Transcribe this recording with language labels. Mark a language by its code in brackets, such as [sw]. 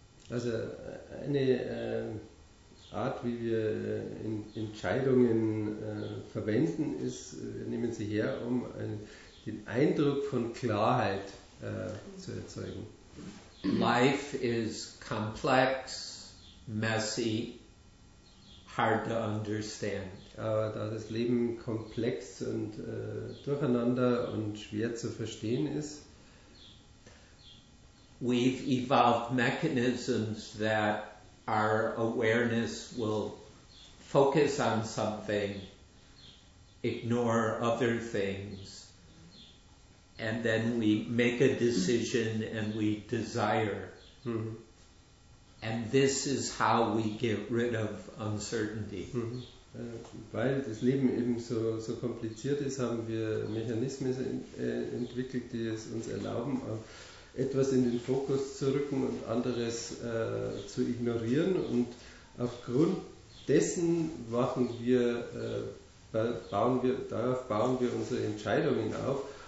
[de] Also eine Art, wie wir Entscheidungen verwenden, ist, nehmen sie her, um den Eindruck von Klarheit zu erzeugen. [en] Life is complex, messy, hard to understand. [de] Aber da das Leben komplex und durcheinander und schwer zu verstehen ist, [en] we've evolved mechanisms that our awareness will focus on something, ignore other things, and then we make a decision and we desire. Mm-hmm. And this is how we get rid of uncertainty. Mm-hmm. [de] Weil das Leben eben so kompliziert ist, haben wir Mechanismen entwickelt, die es uns erlauben, etwas in den Fokus zu rücken und anderes zu ignorieren. Und aufgrund dessen bauen wir unsere Entscheidungen auf.